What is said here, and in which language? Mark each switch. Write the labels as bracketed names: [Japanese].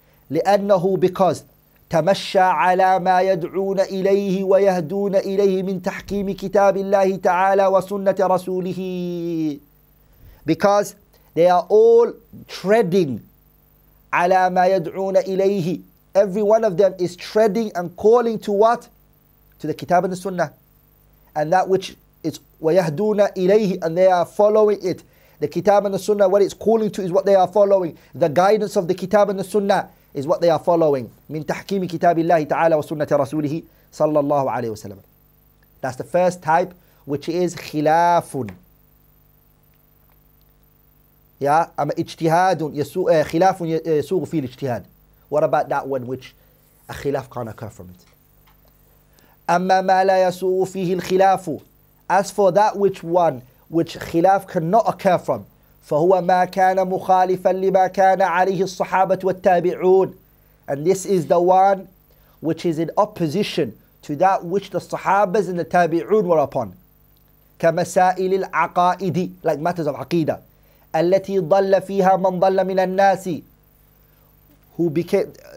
[Arabic] لِأَنَّهُ because تَمَشَّى عَلَى مَا يَدْعُونَ إِلَيْهِ وَيَهْدُونَ إِلَيْهِ مِنْ تَحْكِيمِ كِتَابِ اللَّهِ تَعَالَى وَسُنَّةِ رَسُولِهِ Because they are all treading عَلَى مَا يَدْعُونَ إِلَيْهِ Every one of them is treading and calling to what? To the kitab and the sunnah. [English] And that which is وَيَهْدُونَ إِلَيْهِ And they are following it. The kitab and the sunnah, what it's calling to is what they are following. The guidance of the kitab and the sunnah is what they are following. [Arabic] من تحكيم كتاب الله تعالى وسنة رسوله صلى الله عليه وسلم. [English] That's the first type, which is خلاف. [Arabic] Yeah, أما اجتهاد خلاف يسوغ فيه الاجتهاد. [English] What about that one which a خلاف can't occur from it? [Arabic] أما ما لا يسوغ فيه الخلاف. [English] As for that which one which خلاف cannot occur from. فهو ما كان مخالفا لما كان عليه الصحابة والتابعون and this is the one which is in opposition to that which the Sahabas and the تابعون were upon كمسائل العقائد like matters of عقيدة التي ضل فيها من ضل من الناس who became